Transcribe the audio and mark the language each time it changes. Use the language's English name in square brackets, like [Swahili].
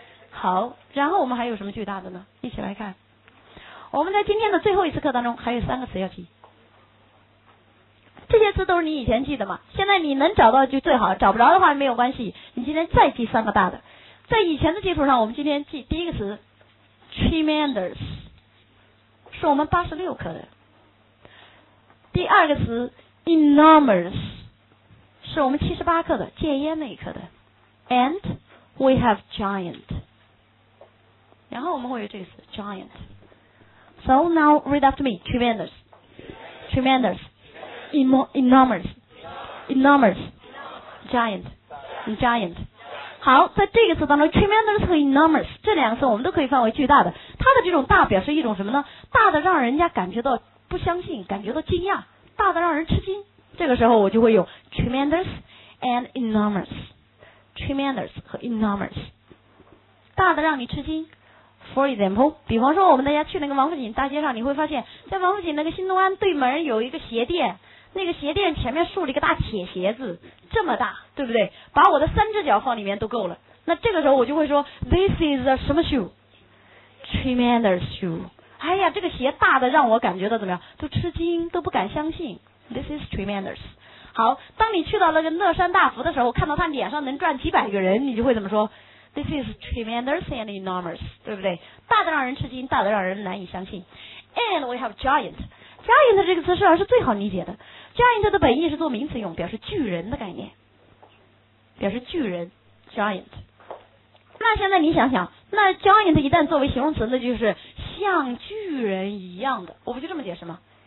[Chinese] 好，然后我们还有什么巨大的呢？一起来看。我们在今天的最后一次课当中还有三个词要记，这些词都是你以前记的嘛，现在你能找到就最好，找不着的话没有关系，你今天再记三个大的。在以前的基础上，我们今天记第一个词 tremendous， 是我们86课的。第二个词 enormous， 是我们78课的戒烟那一课的。 [English] and we have giant， [Chinese] 然后我们会有这个词 giant。 [English] So now read after me. Tremendous, tremendous, enormous, enormous, giant, giant。 [Chinese] 好，在这个词当中 tremendous 和 enormous 这两个词我们都可以范围巨大的，它的这种大表示一种什么呢？大的让人家感觉到不相信，感觉到惊讶，大的让人吃惊，这个时候我就会有 tremendous and enormous， tremendous 和 enormous， 大的让你吃惊。 [English] For example， [Chinese] 比方说我们大家去那个王府井大街上，你会发现在王府井那个新东安对门有一个鞋店，那个鞋店前面竖着一个大铁鞋子，这么大，对不对？把我的三只脚放里面都够了。那这个时候我就会说 [English] this is a [Chinese] 什么 shoe， [English] tremendous shoe。 [Chinese] 哎呀，这个鞋大的让我感觉到怎么样？都吃惊，都不敢相信。 [English] This is tremendous。 [Chinese] 好，当你去到那个乐山大佛的时候，看到他脸上能转几百个人，你就会怎么说？ [English] This is tremendous and enormous， 对不对？ [Chinese] 大的让人吃惊，大的让人难以相信。 [English] And we have giant。 [Chinese] Giant 这个词实际上是最好理解的。Giant 的本意是做名词用，表示巨人的概念，表示巨人 giant。那现在你想想，那 giant 一旦作为形容词，那就是像巨人一样的，我不就这么解释吗？